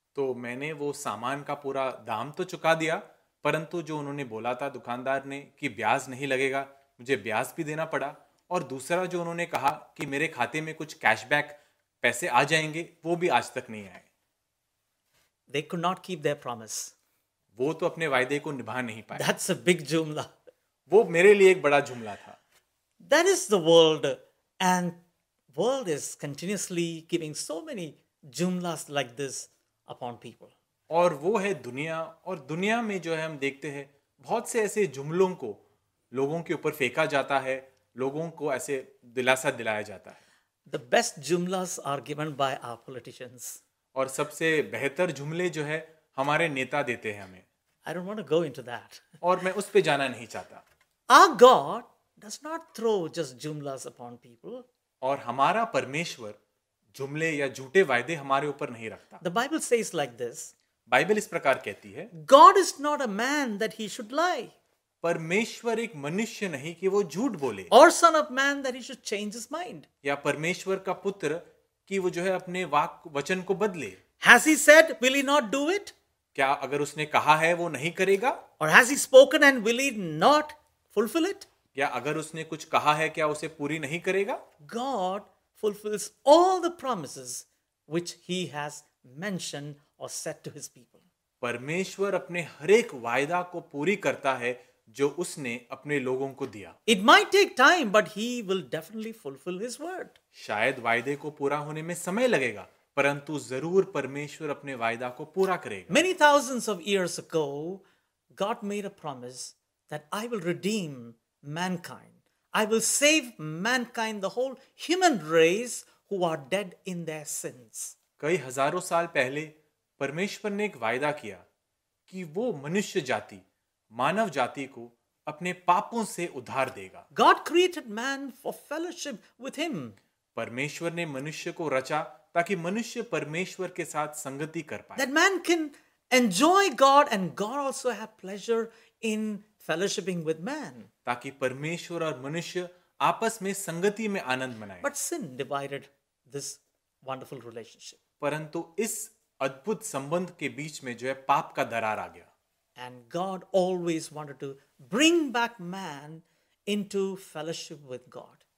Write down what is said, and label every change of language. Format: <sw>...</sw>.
<hi>तो मैंने वो सामान का पूरा दाम तो चुका दिया, परंतु जो उन्होंने बोला था दुकानदार ने कि ब्याज नहीं लगेगा, मुझे ब्याज भी देना पड़ा। और दूसरा जो उन्होंने कहा कि मेरे खाते में कुछ कैशबैक पैसे आ जाएंगे, वो भी आज तक नहीं आए।</hi> <en>They could not keep their promise.</en> <hi>वो तो अपने वायदे को निभा नहीं पाए।</hi> <en>That's a big jumla.</en> <hi>वो मेरे लिए एक बड़ा जुमला था।</hi> <en>That is the world, and world is continuously giving so many jumlas like this upon people.</en> <hi>और वो है दुनिया, और दुनिया में जो है हम देखते हैं बहुत से ऐसे जुमलों को लोगों के ऊपर फेंका जाता है, लोगों को ऐसे दिलासा दिलाया जाता है।</hi> <en>The best jumlas are given by our politicians.</en> <hi>और सबसे बेहतर जुमले जो है हमारे नेता देते हैं हमें।</hi> <en>I don't want to go into that.</en> <hi>और मैं उस पे जाना नहीं चाहता।</hi> <en>Our God does not throw just jumlas upon people.</en> <hi>और हमारा परमेश्वर जुमले या झूठे वायदे हमारे ऊपर नहीं रखता।</hi> <en>The Bible says like this.</en> <hi>Bible इस प्रकार कहती है।</hi> <en>God is not a man that he should lie.</en> <hi>परमेश्वर एक मनुष्य नहीं कि वो झूठ बोले।</hi> <en>Or son of man that he should change his mind.</en> <hi>या परमेश्वर का पुत्र कि वो जो है अपने वाक वचन को बदले।</hi> <en>Has he said, will he not do it?</en> <hi>क्या अगर उसने कहा है वो नहीं करेगा?</hi> <en>Or has he spoken and will he not fulfill it?</en> <hi>या अगर उसने कुछ कहा है क्या उसे पूरी नहीं करेगा?</hi> <en>God fulfills all the promises which he has mentioned or said to his people.</en> <hi>परमेश्वर अपने हर एक वायदा को पूरी करता है जो उसने अपने लोगों को दिया।</hi> <en>It might take time, but he will definitely fulfill his word.</en> <hi>शायद वायदे को पूरा होने में समय लगेगा, परंतु जरूर परमेश्वर अपने वायदा को पूरा करेगा।</hi> <en>Many thousands of years ago, God made a promise that I will redeem mankind. I will save mankind, the whole human race who are dead in their sins.</en> <hi>कई हजारों साल पहले परमेश्वर ने एक वायदा किया कि वो मनुष्य जाति, मानव जाति को अपने पापों से उद्धार देगा।</hi> <en>God created man for fellowship with him.</en> <hi>परमेश्वर ने मनुष्य को रचा ताकि मनुष्य परमेश्वर के साथ संगति कर पाए।</hi> <en>That man can enjoy God and God also have pleasure in fellowshipping with man,</en> <hi>ताकि परमेश्वर और मनुष्य आपस में संगति में आनंद मनाए.</hi> <en>But sin divided this wonderful relationship.</en> <hi>परंतु इस अद्भुत संबंध के बीच में जो है पाप का दरार आ गया.</hi> <en>And God always wanted to bring back man into fellowship with God.</en>